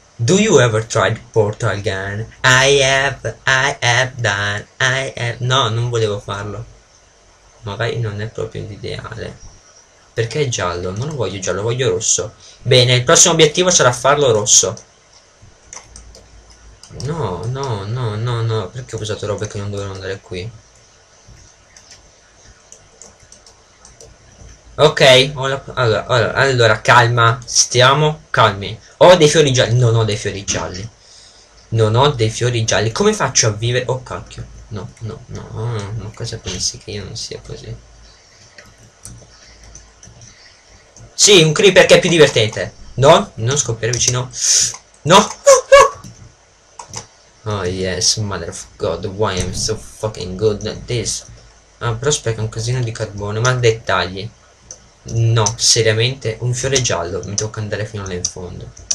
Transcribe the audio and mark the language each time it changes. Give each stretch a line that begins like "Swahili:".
English: Do you ever tried portal gun? I have done, I have.
Italian: No, non volevo farlo. Magari non è proprio l'ideale. Perché è giallo? Non lo voglio giallo, voglio rosso. Bene, il prossimo obiettivo sarà farlo rosso. No, no, no, no, no, perché ho usato robe che non dovevano andare qui? Ok, allora, calma, stiamo calmi. Ho dei fiori gialli, non ho dei fiori gialli. Non ho dei fiori gialli, come faccio a vivere? Oh, cacchio, no, no, no, ma cosa pensi che io non sia così? Sì, un creeper che è più divertente. No, non scoppiare vicino. No!
English: Oh yes, mother of god, why am I so fucking good at this?
Italian: Ah, però spreca un casino di carbone, ma dettagli. No, seriamente, un fiore giallo, mi tocca andare fino all'infondo.